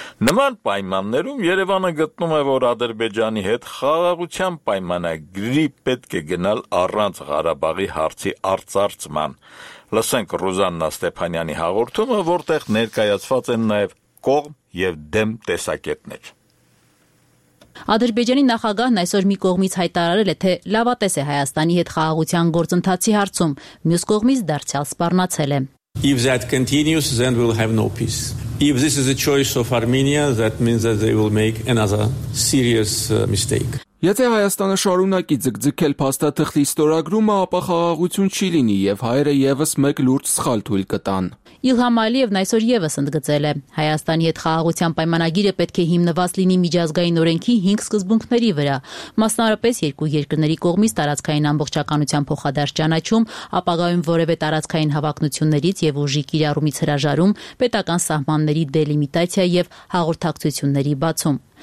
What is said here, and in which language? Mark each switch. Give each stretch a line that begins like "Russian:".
Armenian: Նման պայմաններում Երևանը գտնում է, որ Ադրբեջանի հետ խաղաղության պայմանագրի պետք է գնալ առանց Ղարաբաղի հարցի արծարծման։ Լսենք Ռուզաննա Ստեփանյանի հաղորդումը, որտեղ ներկայացված են նաև կողմ և դեմ տեսակետներ։ Ադրբեջանի նախագահն այսօր մի կողմից հայտարարել է, թե լավատես է Հայաստանի հետ խաղաղության գործընթացի հարցում, մյուս կողմից դարձյալ սպառնացել է.
English: If that continues, then we'll have no peace. If this is a choice of Armenia, that means that they will make another serious mistake.
Armenian: Եթե Հայաստանը շարունակի ձգձգել փաստաթղթի ստորագրումը, ապա խաղաղություն չի լինի եւ հայերը եւս մեկ լուրջ սխալ թույլ կտան։ Իլհամ Ալիևն այսօր եւս ընդգծել է. Հայաստանի հետ խաղաղության պայմանագիրը պետք է հիմնված լինի միջազգային օրենքի 5 սկզբունքների վրա, մասնարարպես երկու երկրների կողմից տարածքային ամբողջականության փոխադարձ ճանաչում, ապագայում որևէ տարածքային հավակնություններից եւ ուժի կիրառումից հրաժարում, պետական սահմանների դելիմիտացիա եւ հաղորդակցությունների բացում։